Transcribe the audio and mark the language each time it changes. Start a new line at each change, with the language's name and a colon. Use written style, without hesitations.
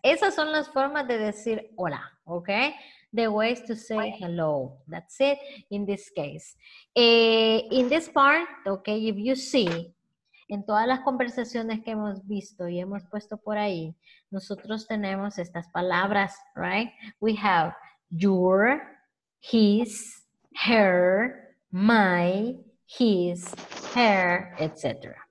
Spanish: Esas son las formas de decir hola, ok?
English: The ways to say hello. That's it in this case. In this part, okay, if you see,
Spanish: en todas las conversaciones que hemos visto y hemos puesto por ahí, nosotros tenemos estas palabras, right?
English: We have your, his, her, my, his, her, etc.